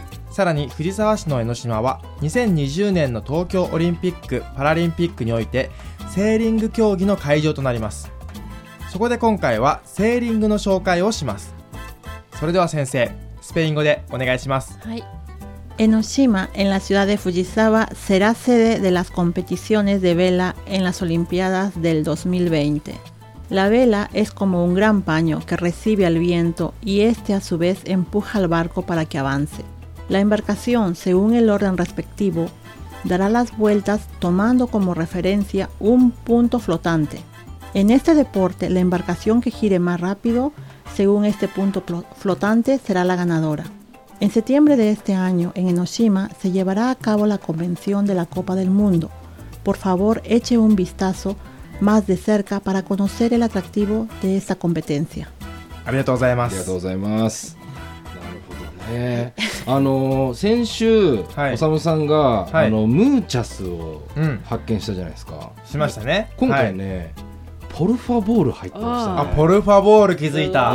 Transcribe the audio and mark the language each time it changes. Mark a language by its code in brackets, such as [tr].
[ja] さらに藤沢市の江ノ島は2020年の東京オリンピック・パラリンピックにおいてセーリング競技の会場となります。そこで今回はセーリングの紹介をします。それでは先生、スペイン語でお願いします。はい。 [es] En Oshima, en la ciudad de Fujisawa, será sede de las competiciones de vela en las Olimpiadas del 2020. La vela es como un gran paño que recibe al viento y este a su vez empuja al barco para que avance. La embarcación, según el orden respectivo, dará las vueltas tomando como referencia un punto flotante. En este deporte, la embarcación que gire más rápido, según este punto flotante, será la ganadora. En septiembre de este año, en Enoshima, se llevará a cabo la convención de la Copa del Mundo. Por favor, eche un vistazo más de cerca para conocer el atractivo de esta competencia. [ja] ありがとうございます。ありがとうございます。なるほどね。先週、おさむさんが、ムーチャスを発見したじゃないですか。うん、しましたね。今回ね、はい、ポルファボール入ってましたね。ポルファボール気づいた。